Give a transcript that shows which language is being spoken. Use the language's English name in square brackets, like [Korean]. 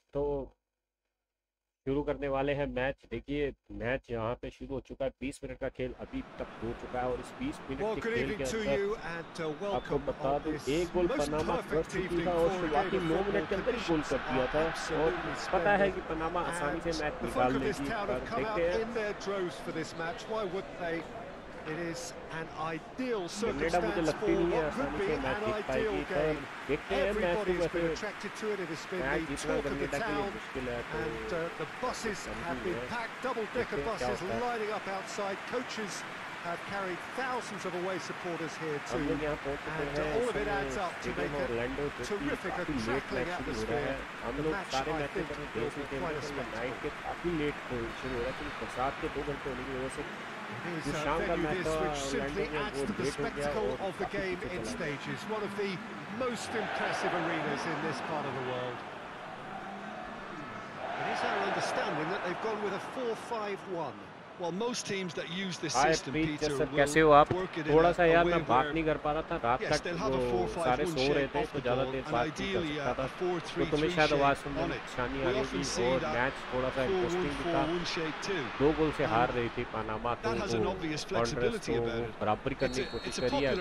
[Hindi] तो शुरू करने वाले हैं मैच। देखिए मैच यहाँ पे शुरू हो चुका है, 20 मिनट का खेल अभी तक हो चुका है और इस 20 मिनट के खेल के अंदर आपको बता दूं, एक गोल पनामा कर चुकी था और शुरुआती 9 मिनट के अंदर ही गोल कर दिया था। और पता है कि पनामा आसानी से मैच निकाल लेगी, पर देखते हैं। [English] It is an ideal circumstance for what could be an ideal game. Everybody has been attracted to it. It has been the talk of the town. And the buses have been packed, double-decker buses lining up outside. Coaches have carried thousands of away supporters here too. And all of it adds up to make a terrific, a crackling atmosphere. The match, I think, will be quite a spectacle. It is a venue this which simply adds to the spectacle of the game in stages. One of the most impressive arenas in this part of the world. It is our understanding that they've gone with a 4-5-1. Well, most teams that use this system, Peter, [Hindi] कैसे हो आप? थोड़ा सा यार मैं बात नहीं कर पा रहा था, रात तक वो सारे सो रहे थे तो ज़्यादा देर बात नहीं कर सकता था, तो तुम्हें शायद आवाज़ सुनने छानी आ रही थी। और मैच थोड़ा सा इंटरेस्टिंग था, दो गोल से हार रही थी पनामा, तो वो कॉन्ट्रेस को बराबर करने की कोशिश करी है।